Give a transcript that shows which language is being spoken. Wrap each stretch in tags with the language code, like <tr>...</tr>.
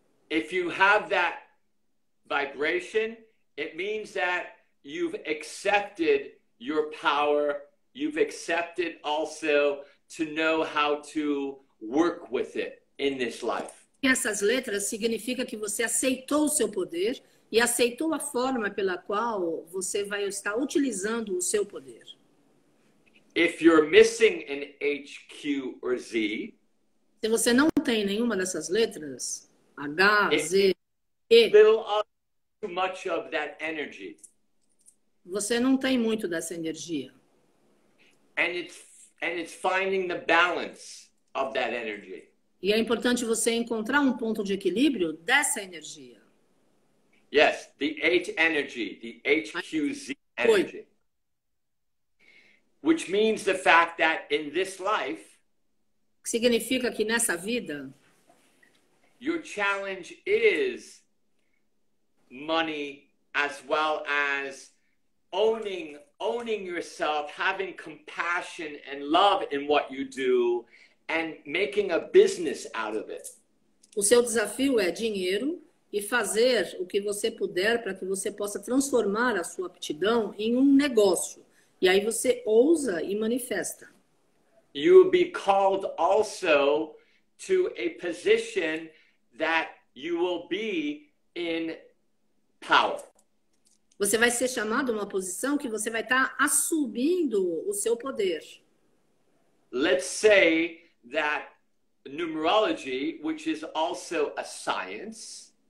<en>If you have that vibration, it means that you've accepted your power. You've accepted also to know how to work with it in this life.</en> <pt>Essas letras significa que você aceitou o seu poder e aceitou a forma pela qual você vai estar utilizando o seu poder.</pt> <en>If you're missing an H, Q or Z,</en> <pt>Se você não tem nenhuma dessas letras, H, Z, E,</pt> <en>little of too much of that energy.</en> <pt>você não tem muito dessa energia.</pt> <en>And it's finding the balance of that energy.</en> <pt>E é importante você encontrar um ponto de equilíbrio dessa energia.</pt> <en>Yes, the H energy, the HQZ</en> <pt>Oi.</pt> <en>energy. Which means the fact that in this life,</en> <pt>Significa que nessa vida,</pt> <en>your challenge is money as well as owning yourself, having compassion and love in what you do, and making a business out of it.</en> <pt>o seu desafio é dinheiro e fazer o que você puder para que você possa transformar a sua aptidão em um negócio. E aí você ousa e manifesta.</pt> <en>You will be called also to a position that you will be in power.</en> <pt>Você vai ser chamado a uma posição que você vai estar assumindo o seu poder.</pt> <en>Let's say that numerology, which is also a science.</en>